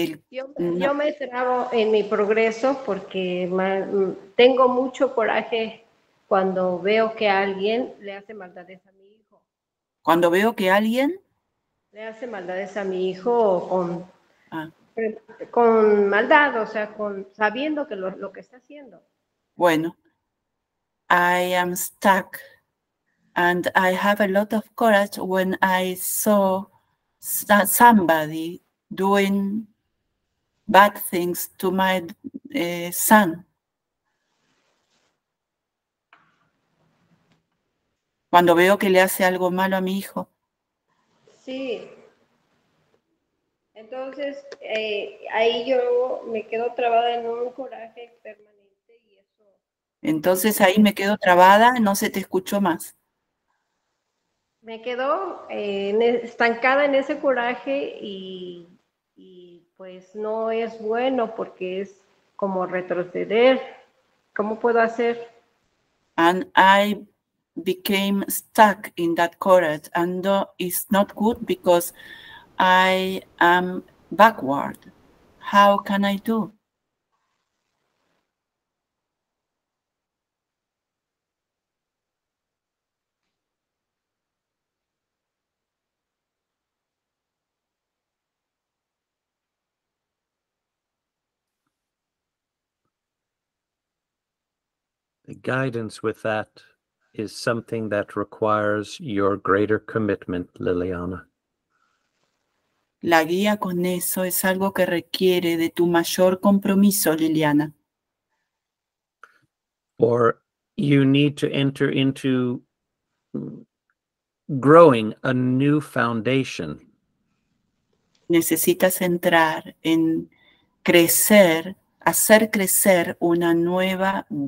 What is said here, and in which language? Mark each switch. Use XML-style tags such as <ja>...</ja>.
<es>Yo me trabo en mi progreso porque tengo mucho coraje cuando veo que alguien le hace maldades a mi hijo. ¿Cuando veo que alguien? Le hace maldades a mi hijo con maldad, o sea, sabiendo que lo que está haciendo. Bueno,</es> <en>I am stuck. And I have a lot of courage when I saw somebody doing bad things to my son.</en> <es>Cuando veo que le hace algo malo a mi hijo. Sí. Entonces, ahí yo me quedo trabada en un coraje permanente y eso. Entonces ahí me quedo trabada, no se te escuchó más. Me quedo estancada en ese coraje y pues no es bueno porque es como retroceder. ¿Cómo puedo hacer?</es> <en>And I became stuck in that courage and it's not good because I am backward. How can I do? The guidance with that is something that requires your greater commitment, Liliana.</en> <es>La guía con eso es algo que requiere de tu mayor compromiso, Liliana.</es> <en>Or you need to enter into growing a new foundation.</en> <es>Necesitas entrar en crecer, hacer crecer una nueva</es>